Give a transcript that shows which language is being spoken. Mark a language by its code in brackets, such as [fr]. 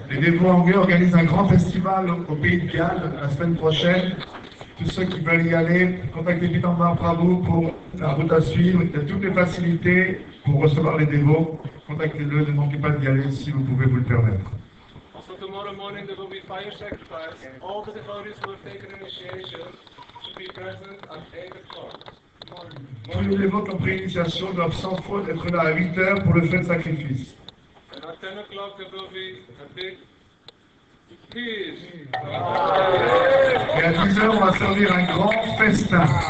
[fr] Les dévots anglais organisent un grand festival au Pays de Galles la semaine prochaine. Tous tous ceux qui veulent y aller, contactez vite en bas Prabhu pour la route à suivre. Il y a toutes les facilités pour recevoir les dévots. Contactez-le, ne manquez pas d'y aller si vous pouvez vous le permettre. [en] Also tomorrow morning there will be fire sacrifice. All the devotees who have taken initiation should be present at 8 o'clock. [fr] Tous les dévots qui ont pris l'initiation doivent sans faute être là à 8 h pour le feu de sacrifice. [en] And at 10 o'clock there will be a big [fr] et à 10 h, on va servir un grand festin.